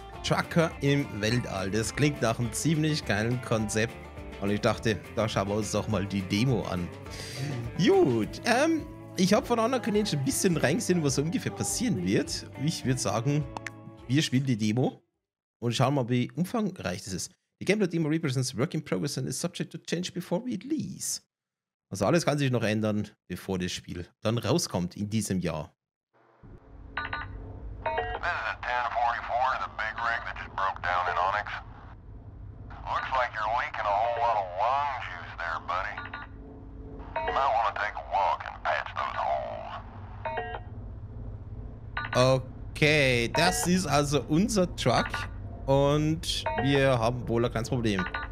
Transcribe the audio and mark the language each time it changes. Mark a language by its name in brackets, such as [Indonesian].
[German] Trucker im Weltall. Das klingt nach einem ziemlich geilen Konzept. Und ich dachte, da schauen wir uns doch mal die Demo an. Gut, ich habe von Anna Kanin schon ein bisschen reingesehen, was ungefähr passieren wird. Ich würde sagen, wir spielen die Demo und schauen mal, wie umfangreich das ist. [English] The Gameplay Demo represents work in progress and is subject to change before we release. [German] Also alles kann sich noch ändern, bevor das Spiel dann rauskommt in diesem Jahr. [English] This is Tan 44, the big rig that just broke down in Onyx. Looks like you're leaking a whole lot of lung juice there, buddy. Might want to take a walk and patch those holes. [German] Okay, das ist also unser Truck und wir haben wohl ein kleines Problem.